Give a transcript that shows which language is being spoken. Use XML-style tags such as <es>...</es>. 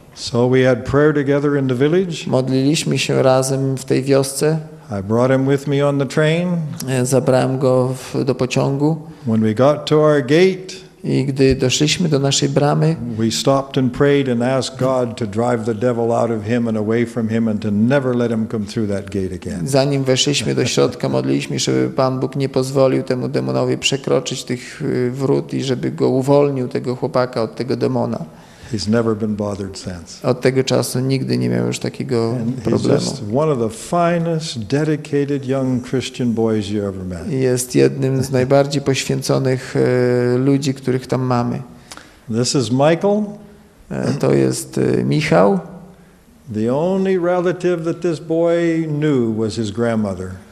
<en>So we had prayer together in the village.</en> <pl>Modliliśmy się razem w tej wiosce.</pl> <en>I brought him with me on the train.</en> <pl>Zabrałem go do pociągu.</pl> <en>When we got to our gate,</en> <pl>i gdy doszliśmy do naszej bramy,</pl> <en>we stopped and prayed and asked God to drive the devil out of him and away from him and to never let him come through that gate again.</en> <pl>Zanim weszliśmy do środka, modliliśmy, żeby Pan Bóg nie pozwolił temu demonowi przekroczyć tych wrót i żeby go uwolnił, tego chłopaka, od tego demona.</pl> <en>He's never been bothered since.</en> <pl>Od tego czasu nigdy nie miał już takiego problemu.</pl> <en>He's one of the finest, dedicated young Christian boys you ever met.</en> <pl>Jest jednym z najbardziej poświęconych ludzi, których tam mamy.</pl> <en>This is Michael.</en> <pl>To jest Michał.</pl> <en>The only relative that this boy knew was his grandmother.</en>